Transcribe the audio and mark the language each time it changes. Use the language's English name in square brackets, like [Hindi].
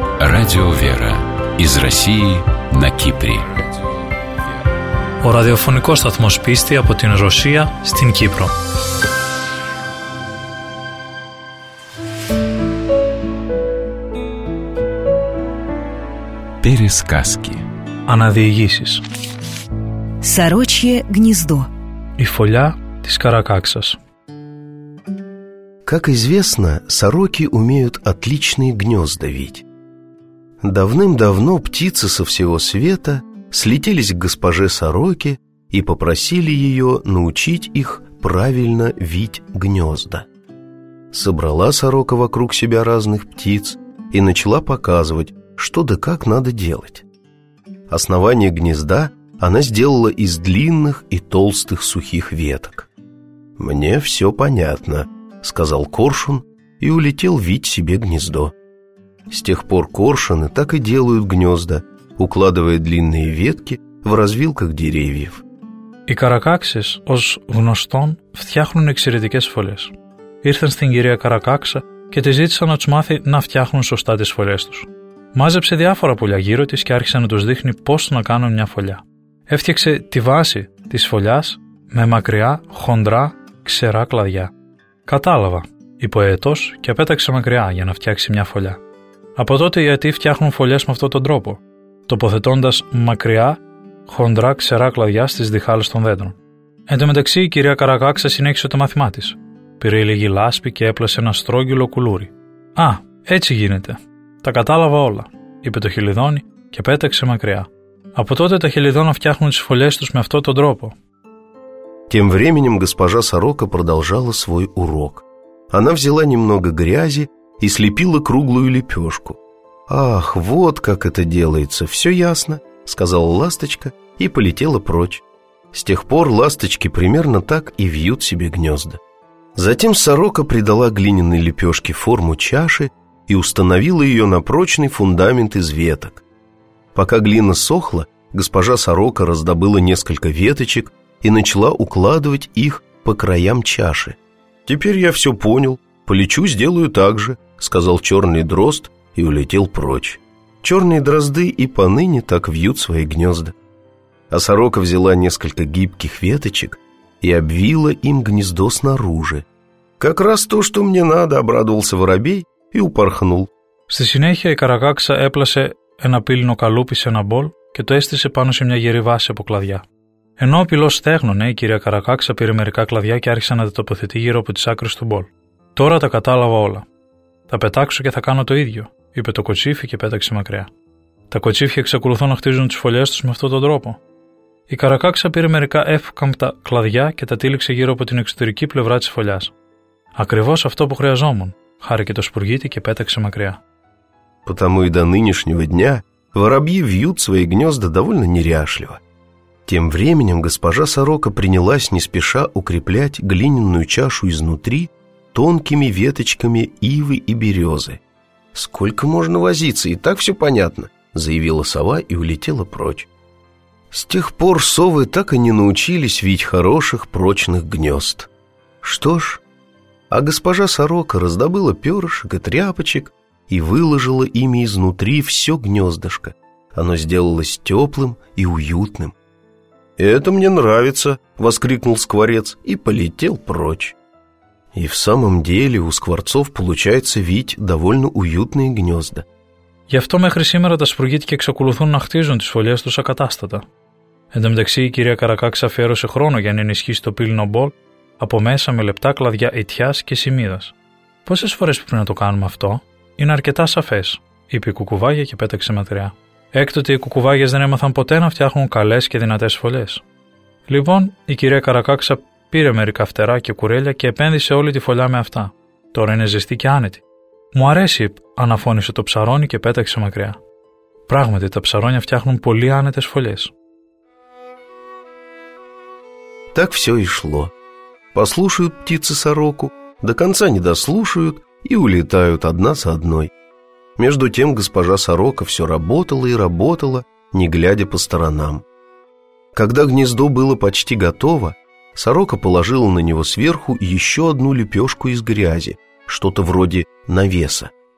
[Russian] Радио Вера из России на Кипре. [Greek] Ο ραδιοφωνικός σταθμός πίστη από την Ρωσία στην Κύπρο. [Russian] Пересказки. [Greek] Αναδιηγήσεις. [Russian] Сорочье гнездо. [Greek] Η φωλιά της Каракάξας. [Russian] Как известно, сороки умеют отличные гнезда вить. Давным-давно птицы со всего света слетелись к госпоже Сороке и попросили ее научить их правильно вить гнезда. Собрала Сорока вокруг себя разных птиц и начала показывать, что да как надо делать. Основание гнезда она сделала из длинных и толстых сухих веток. «Мне все понятно», — сказал коршун и улетел вить себе гнездо. С тех пор коршуны так и делают гнезда, укладывая длинные ветки в развилках деревьев. [Greek] Οι Каракάξες, ως γνωστόν, φτιάχνουν εξαιρετικές φωλιές. Ήρθαν στην κυρία Καρακάξα και τη ζήτησαν να τους μάθει να φτιάχνουν σωστά τις φωλιές τους. Μάζεψε διάφορα πουλιά γύρω της και άρχισε να τους δείχνει πώς να κάνουν μια φωλιά. Έφτιαξε τη βάση της φωλιάς με μακριά, χοντρά, ξερά κλαδιά. «Κατάλαβα», είπε ο αιτός και πέταξε μακριά για να φτιάξει μια φωλιά. Από τότε οι αιτοί φτιάχνουν φωλιές με αυτόν τον τρόπο, τοποθετώντας μακριά, χοντρά, ξερά κλαδιά στις διχάλες των δέντρων. Εν τω μεταξύ, η κυρία Καρακάξα συνέχισε το μάθημά της. Πήρε λίγη λάσπη και έπλασε ένα στρόγγυλο κουλούρι. «Α, έτσι γίνεται. Τα κατάλαβα όλα», είπε το χελιδόνι και πέταξε μακριά. Από τότε τα χελιδόνα φτιάχνουν τις φωλιές τους με αυτόν τον τρόπο. [Russian] Тем временем госпожа Сорока продолжала свой урок. Она взяла немного грязи и слепила круглую лепешку. «Ах, вот как это делается, все ясно», — сказала ласточка и полетела прочь. С тех пор ласточки примерно так и вьют себе гнезда. Затем сорока придала глиняной лепешке форму чаши и установила ее на прочный фундамент из веток. Пока глина сохла, госпожа сорока раздобыла несколько веточек и начала укладывать их по краям чаши. «Теперь я все понял, полечу, сделаю так же», — сказал черный дрозд и улетел прочь. Черные дрозды и поныне так вьют свои гнезда. А сорока взяла несколько гибких веточек и обвила им гнездо снаружи. «Как раз то, что мне надо», — обрадовался воробей и упорхнул. [Greek] Στη συνέχεια η Каракάξα έπλασε ένα πύλινο καλούπι σε ένα μπολ και το έστησε πάνω σε μια γερή βάση από κλαδιά. Ενώ ο πυλός στέγνωνε, η κυρία Καρακάξα πήρε μερικά κλαδιά και άρχισε να τα τοποθετεί γύρω από τις άκρες του μπολ. «Τώρα τα κατάλαβα όλα. Θα πετάξω και θα κάνω το ίδιο», είπε το κοτσίφι και πέταξε μακριά. Τα κοτσίφια εξακολουθούν να χτίζουν τις φωλιές τους με αυτόν τον τρόπο. Η Καρακάξα πήρε μερικά εύκαμπτα κλαδιά και τα τύλιξε γύρω από την εξωτερική πλευρά της φωλιάς. «Ακριβώς αυτό που χρειαζόμουν», χάρηκε το σπουργίτη και πέταξε μακριά. [Russian] Потому и до нынешнего дня воробьи вьют свои гнезда довольно неряшливо. Тем временем госпожа сорока принялась не спеша укреплять глиняную чашу изнутри тонкими веточками ивы и березы. «Сколько можно возиться, и так все понятно», — заявила сова и улетела прочь. С тех пор совы так и не научились вить хороших прочных гнезд. Что ж, а госпожа сорока раздобыла перышек и тряпочек и выложила ими изнутри все гнездышко. Оно сделалось теплым и уютным. «Это мне нравится», — воскликнул скворец и полетел прочь. И в самом деле у скворцов получается вить довольно уютные гнезда. [Greek] Γι' αυτό μέχρι σήμερα τα σπουργίτικα εξακολουθούν να χτίζουν τις φωλιές τους ακατάστατα. Εν τω μεταξύ, η κυρία Καρακάξα αφιέρωσε χρόνο για να ενισχύσει το πύλινο μπολ από μέσα με λεπτά κλαδιά ιτιάς και σημίδας. «Πόσες φορές πρέπει να το κάνουμε αυτό? Είναι αρκετά σαφές», είπε η κουκουβάγια και πέταξε μακριά. Έκτοτε οι κουκουβάγιες δεν έμαθαν ποτέ να φτιάχνουν καλές και δυνατές φωλιές. Λοιπόν, η κυρία Καρακάξα πήρε μερικά φτερά και κουρέλια και επένδυσε όλη τη φωλιά με αυτά. Τώρα είναι ζεστή και άνετη. «Μου αρέσει», αναφώνησε το ψαρόνι και πέταξε μακριά. Πράγματι, τα ψαρόνια φτιάχνουν πολύ άνετες φωλιές. [Russian] Так все и шло. Послушают птицы сороку, до конца не дослушают и улетают одна за одной. Между тем госпожа сорока все работала и работала, не глядя по сторонам. Когда гнездо было почти готово, сорока положила на него сверху еще одну лепешку из грязи, что-то вроде навеса.